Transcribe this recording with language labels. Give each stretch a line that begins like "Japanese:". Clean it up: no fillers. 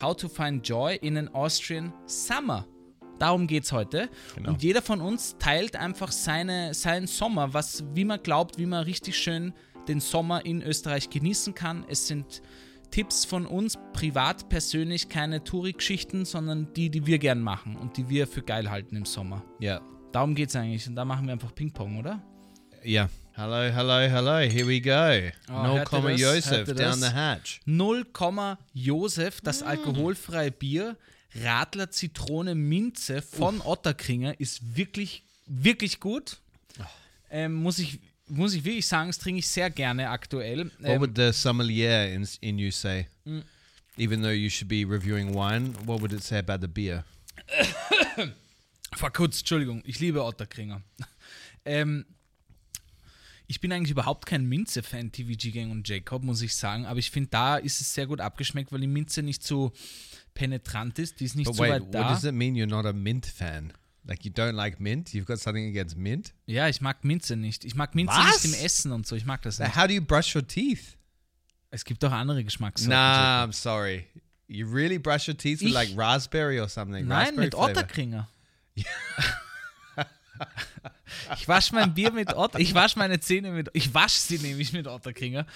English: How to find joy in an Austrian summer.
German: Darum geht's heute. Genau. Und jeder von uns teilt einfach seinen Sommer, wie man glaubt, wie man richtig schön den Sommer in Österreich genießen kann. Es sind Tipps von uns, privat, persönlich, keine Touri-Geschichten, sondern die wir gern machen und die wir für geil halten im Sommer. Ja. Darum geht's eigentlich. Und da machen wir einfach Ping-Pong, oder?
English: Ja. Hello, hello, hello. Here we go. Oh, no comma Josef down the hatch.
German: 0, Josef, das alkoholfreie Bier, Radler, Zitrone, Minze von Otterkringer ist wirklich, wirklich gut. Muss ich wirklich sagen, das trinke ich sehr gerne aktuell.
English: What would the sommelier in you say? Even though you should be reviewing wine, what would it say about the beer?
German: Verkutzt, Entschuldigung. Ich liebe Otterkringer. Ich bin eigentlich überhaupt kein Minze-Fan, TVG Gang und Jacob, muss ich sagen. Aber ich finde, da ist es sehr gut abgeschmeckt, weil die Minze nicht so penetrant ist. Die ist nicht so weit da.
English: What does it mean you're not a Mint-Fan? Like, you don't like Mint? You've got something against Mint?
German: Ja, ich mag Minze nicht. Ich mag Minze nicht im Essen und so. Ich mag das nicht.
English: How do you brush your teeth?
German: Es gibt auch andere Geschmackssorten.
English: Nah, I'm sorry. You really brush your teeth with like raspberry or something?
German: Nein,
English: raspberry
German: mit Otterkringer. Ich wasche mein Bier mit Otter. Ich wasche meine Zähne mit. Ich wasche sie nämlich mit Otterkringer.